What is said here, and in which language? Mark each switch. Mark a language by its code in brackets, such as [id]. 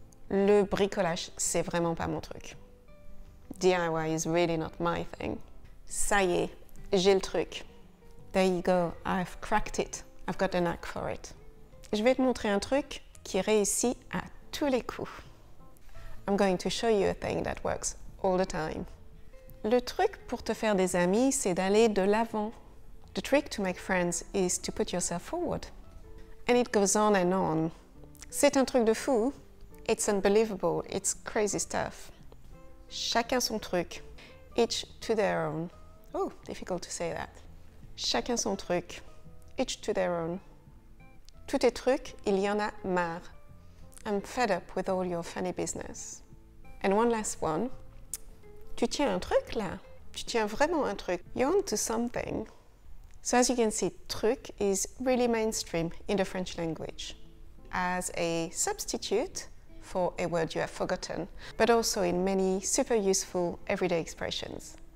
[fr] Le bricolage, c'est vraiment pas mon truc. [en] DIY is really not my thing. [fr] Ça y est, j'ai le truc. [en] There you go, I've cracked it. I've got the knack for it. [fr] Je vais te montrer un truc qui réussit à tous les coups. [en] I'm going to show you a thing that works all the time. [fr] Le truc pour te faire des amis, c'est d'aller de l'avant. [en] The trick to make friends is to put yourself forward. And it goes on and on. [fr] C'est un truc de fou. [en] It's unbelievable. It's crazy stuff. [fr] Chacun son truc. [en] Each to their own. Oh, difficult to say that. [fr] Chacun son truc. [en] Each to their own. [fr] Tout est truc, il y en a marre. [en] I'm fed up with all your funny business. And one last one. [fr] Tu tiens un truc là? Tu tiens vraiment un truc? [en] You're onto something. So as you can see, truc is really mainstream in the French language as a substitute for a word you have forgotten, but also in many super useful everyday expressions.